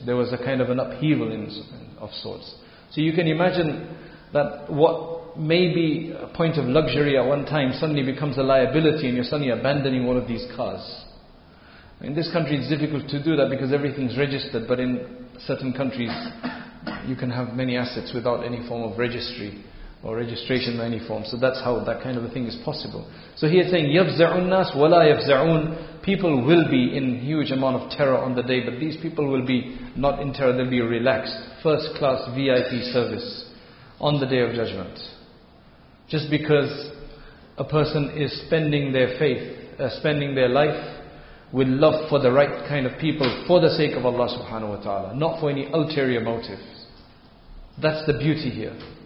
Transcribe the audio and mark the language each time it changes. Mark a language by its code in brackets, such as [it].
[en] There was a kind of an upheaval of sorts. So you can imagine that what may be a point of luxury at one time suddenly becomes a liability, and you're suddenly abandoning all of these cars. In this country it's difficult to do that because everything's registered, but in certain countries you can have many assets without any form of registry or registration in any form. So that's how that kind of a thing is possible. So here saying, [ar] يَفْزَعُ النَّاسِ وَلَا يَفْزَعُونَ. [en] People will be in huge amount of terror on the day, but these people will be not in terror, they'll be relaxed. First class VIP service on the Day of Judgment. Just because a person is spending their faith, spending their life with love for the right kind of people for the sake of Allah subhanahu wa ta'ala, not for any ulterior motives. That's the beauty here.